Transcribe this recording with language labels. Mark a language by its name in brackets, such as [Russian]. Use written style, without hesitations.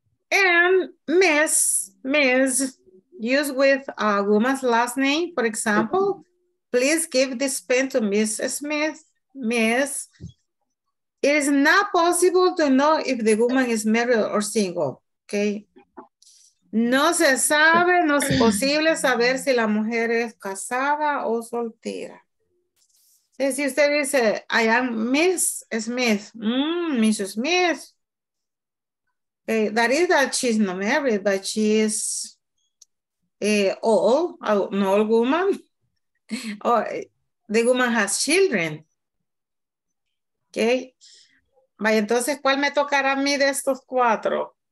[English] And Miss, used with a woman's last name, for example, please give this pen to Miss Smith. Miss, it is not possible to know if the woman is married or single, okay? [Spanish] No se sabe, no es posible saber si la mujer es casada o soltera. Si usted dice, [English] I am Miss Smith, Miss Smith, okay, that is that she's not married, but she is an old woman, or the woman has children. Okay. [Spanish] Vaya, entonces, ¿cuál me tocará a mí de estos cuatro?